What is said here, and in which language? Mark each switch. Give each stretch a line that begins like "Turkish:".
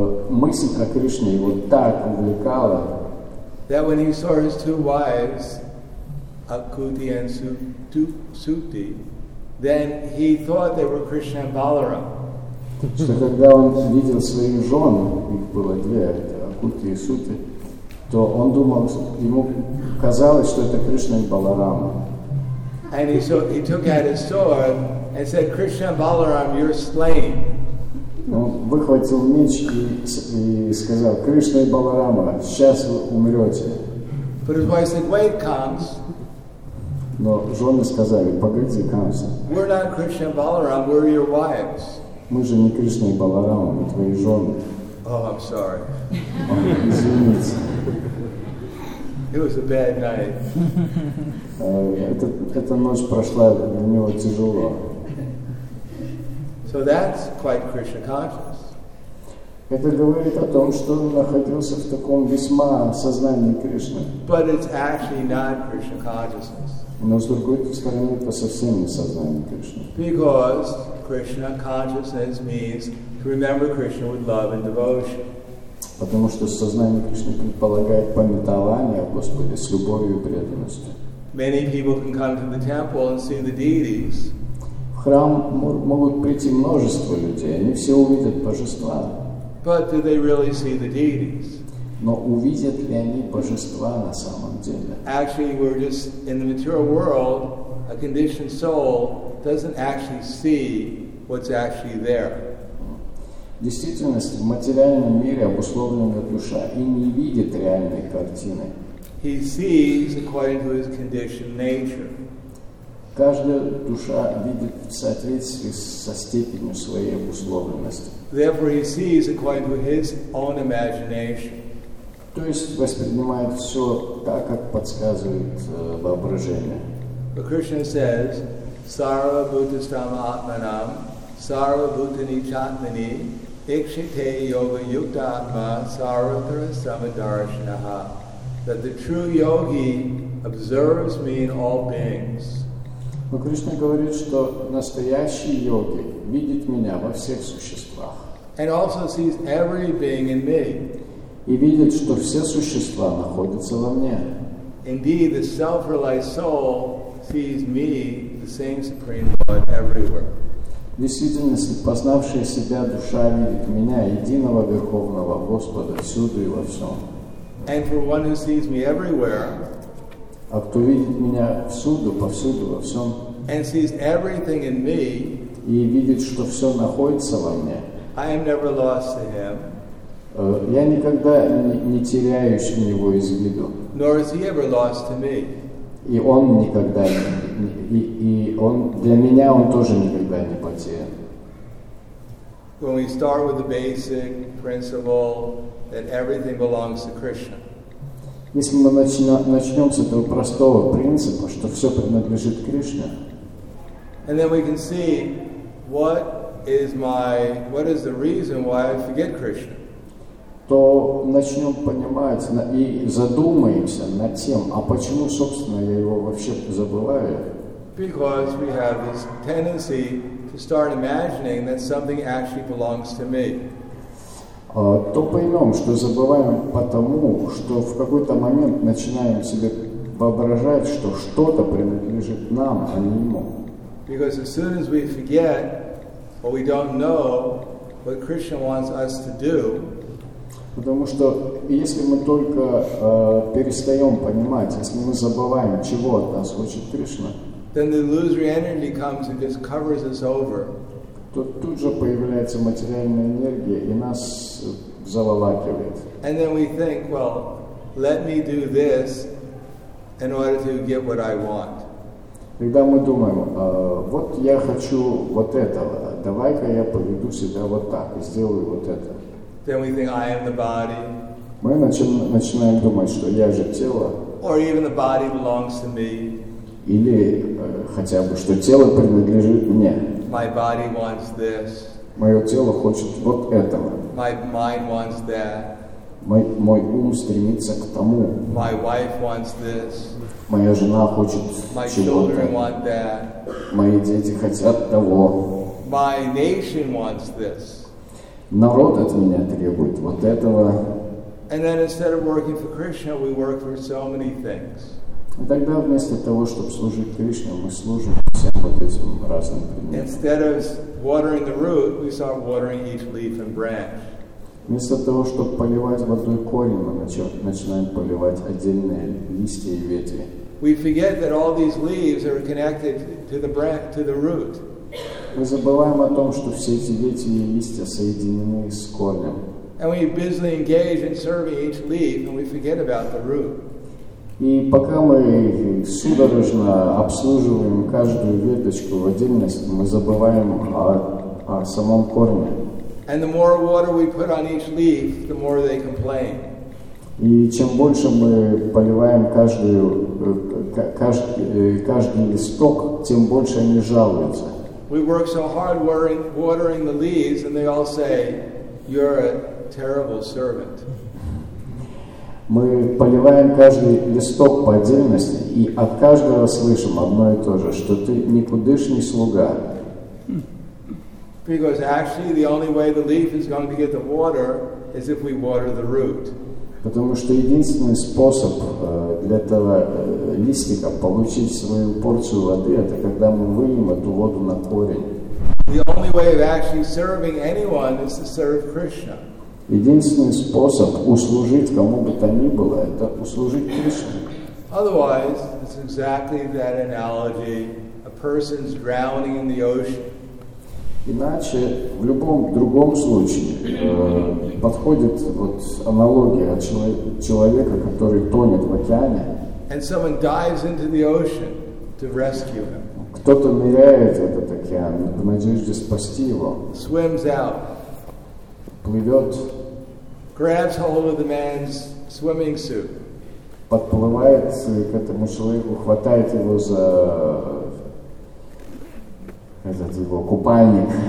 Russian: Мысль о Кришне его так увлекала.
English: That when he saw his two wives, Akuti and Suti, then he thought they were Krishna and Balaram.
Russian: Что когда он видел своих жен, их было две, Акути и Сути, то он думал, ему казалось, что это Кришна и Баларама.
English: And he took out his sword and said, Krishna and Balaram, you're slain.
Russian: Он выхватил меч и сказал, Кришна и Баларама, сейчас вы умрете.
English: But his wife said, wait, Kams.
Russian: Но жены сказали, погоди, Камса.
English: We're not Krishna and Balaram, we're your wives.
Russian: Мы же не Кришна и Баларама, мы твои жены.
English: Oh, I'm sorry.
Russian: Извините.
English: It was a bad night.
Russian: Эта ночь прошла для него тяжело.
English: So that's quite Krishna conscious.
Russian: Это говорит о том, что он находился в таком весьма сознании Кришны.
English: But it's actually not Krishna consciousness.
Russian: Но с другой стороны, это совсем не сознание Кришны.
English: Because Krishna consciousness means to remember Krishna with love and devotion.
Russian: Потому что сознание Кришны предполагает памятование о Господе с любовью и преданностью.
English: Many people can come to the temple and see the deities.
Russian: В храм могут прийти множество людей, они все увидят божества.
English: But do they really see the deities?
Russian: Но увидят ли они божества на самом деле?
English: Actually, we're just in the material world, a conditioned soul doesn't actually see what's actually there.
Russian: В действительности, в материальном мире обусловленная душа и не видит реальной картины.
English: He sees according to his conditioned nature.
Russian: Каждая душа видит в соответствии со степенью своей обусловленности.
English: Therefore, he sees according to his own imagination.
Russian: То есть воспринимает все так, как подсказывает воображение.
English: But Krishna says,
Sanskrit: Sarva Bhutastama Atmanam, Sarva Bhutani Chatmani, Ikshite Yoga Yukta Atma, Sarvatra Samadarshanaha.
English: That the true yogi observes me in all beings.
Russian: Но Кришна говорит, что настоящий йоги видит меня во всех существах.
English: And also sees every being in me.
Russian: И видит, что все существа находятся во мне.
English: Indeed, the self-realized soul sees me, the same supreme Lord, everywhere.
Russian: В действительности, познавшая себя душа видит меня, единого верховного Господа, всюду и во всем.
English: And for one who sees me everywhere,
Russian: а кто видит меня всюду, повсюду, во всем,
English: and sees everything in me,
Russian: и видит, что все находится во мне,
English: I am never lost to him.
Russian: Я никогда не теряюсь у него из виду.
English: Nor is he ever lost to me.
Russian: И он никогда не, и он для меня он тоже никогда не потерян.
English: When we start with the basic principle that everything belongs to Krishna.
Russian: Если мы начнем с этого простого принципа, что все принадлежит Кришне.
English: And then we can see what is the reason why I forget Krishna.
Russian: То начнем понимать и задумаемся над тем, а почему, собственно, я его вообще забываю?
English: Because we have this tendency to start imagining that something actually belongs to me.
Russian: То поймем, что забываем потому, что в какой-то момент начинаем себе воображать, что что-то принадлежит нам, а не ему.
English: Because as soon as we forget, or we don't know what Krishna wants us to do.
Russian: Потому что если мы только перестаем понимать, если мы забываем, чего от нас хочет Кришна,
English: then the illusory energy comes and just covers us over.
Russian: то тут же появляется материальная энергия и нас заволакивает.
English: And then we think, well, let me do this in order to get what I want.
Russian: Тогда мы думаем, вот я хочу вот этого, давай-ка я поведу себя вот так и сделаю вот это.
English: Then we think, I am the body.
Russian: Мы начинаем думать, что я же тело.
English: Or even the body belongs to me.
Russian: Или хотя бы, что тело принадлежит мне.
English: My body wants this.
Russian: Мое тело хочет вот этого.
English: My mind wants that.
Russian: Мой ум стремится к тому.
English: My wife wants this.
Russian: Моя жена хочет
English: My
Russian: чего-то.
English: Children want that.
Russian: Мои дети хотят того.
English: My nation wants this.
Russian: Народ от меня требует вот этого.
English: And then instead of working for Krishna, we work for so many things.
Russian: И тогда вместо того, чтобы служить Кришне, мы служим всем вот этим разным предметам.
English: Instead of watering the root, we start watering each leaf and branch.
Russian: Вместо того, чтобы поливать водой корень, мы начинаем поливать отдельные листья и ветви.
English: We forget that all these leaves are connected to the branch, to the root.
Russian: Мы забываем о том, что все эти ветви и листья соединены с корнем.
English: And we busily engage in serving each leaf, and we forget about the root.
Russian: И пока мы судорожно обслуживаем каждую веточку в отдельности, мы забываем о самом корне.
English: And the more water we put on each leaf, the more they complain.
Russian: И чем больше мы поливаем каждый листок, тем больше они жалуются.
English: We work so hard watering the leaves, and they all say, "You're a terrible servant."
Russian: Мы поливаем каждый листок по отдельности, и от каждого слышим одно и то же, что ты никудышний слуга.
English: Because actually the only way the leaf is going to get the water is if we water the root.
Russian: Потому что единственный способ для этого листика получить свою порцию воды, это когда мы выльем эту воду на корень.
English: The only way of actually serving anyone is to serve Krishna.
Russian: Единственный способ услужить кому бы то ни было, это услужить Кришне.
English: Otherwise, it's exactly that analogy, a person's drowning in the ocean.
Russian: Иначе, в любом другом случае, подходит вот аналогия человека, который тонет в океане.
English: And someone dives into the ocean to rescue him.
Russian: Кто-то ныряет в этот океан в надежде спасти его.
English: Swims out.
Russian: Плывет.
English: Grabs hold of the man's swimming suit.
Russian: Подплывает к этому человеку, хватает его за этот его купальник.